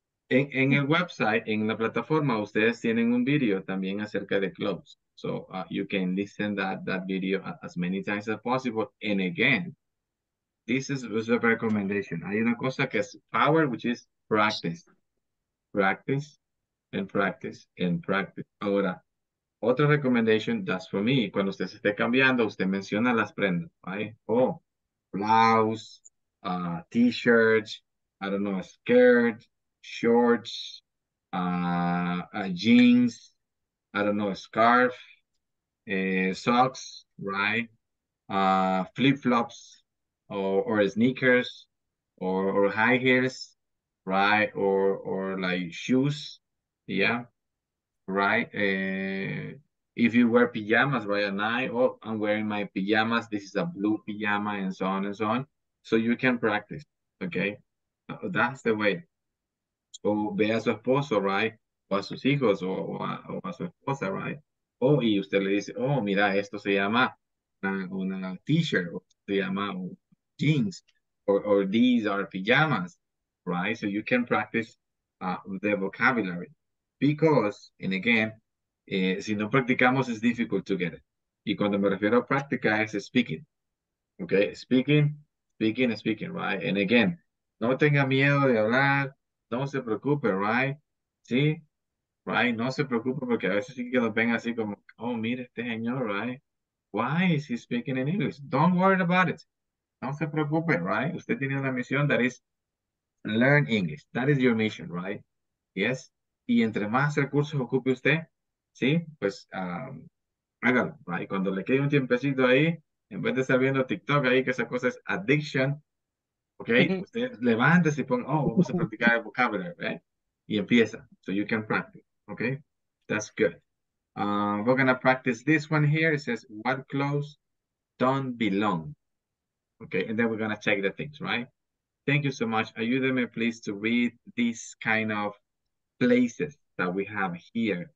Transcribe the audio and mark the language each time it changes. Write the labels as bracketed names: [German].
[Spanish] En el website, en la plataforma, ustedes tienen un video también acerca de clothes. [English] So, you can listen that video as many times as possible. And again, this is a recommendation. [Spanish] Hay una cosa que es [English] power, which is practice. Practice and practice and practice. Ahora, otra recommendation, that's for me. [Spanish] Cuando usted se esté cambiando, usted menciona las prendas, right? [English] Oh, blouse, t-shirt, I don't know, a skirt. Shorts, jeans, I don't know, a scarf, socks, right? Flip-flops or sneakers or high heels, right? Or like shoes, yeah, right? If you wear pyjamas, right? And I'm wearing my pyjamas. This is a blue pyjama and so on and so on. So you can practice, okay? That's the way. [Spanish] O ve a su esposo, right? O a sus hijos, o a su esposa, right? O y usted le dice, oh, mira, esto se llama una t-shirt, o se llama jeans, [English] or these are pajamas, [Spanish] right? [English] So you can practice the vocabulary. Because, and again, [Spanish] si no practicamos, [English] it's difficult to get it. [Spanish] Y cuando me refiero a práctica, es speaking. [English] Okay, speaking, right? And again, [Spanish] no tenga miedo de hablar. No se preocupe, right? Sí, right? No se preocupe porque a veces sí que nos ven así como, oh, mire este señor, right? [English] Why is he speaking in English? Don't worry about it. [Spanish] No se preocupe, [English] right? [Spanish] Usted tiene una misión, [English] that is learn English. That is your mission, right? [Spanish] Yes? Y entre más recursos ocupe usted, sí, pues Hágalo. Right. Cuando le quede un tiempecito ahí, en vez de estar viendo TikTok ahí, que esa cosa es addiction, ok, usted levántese y ponga, oh, vamos a practicar el vocabulario, right? Y empieza. [English] So you can practice, ok? That's good. We're going to practice this one here. It says, what clothes don't belong? Okay, and then we're going to check the things, right? Thank you so much. Ayúdeme, please, to read these kind of places that we have here.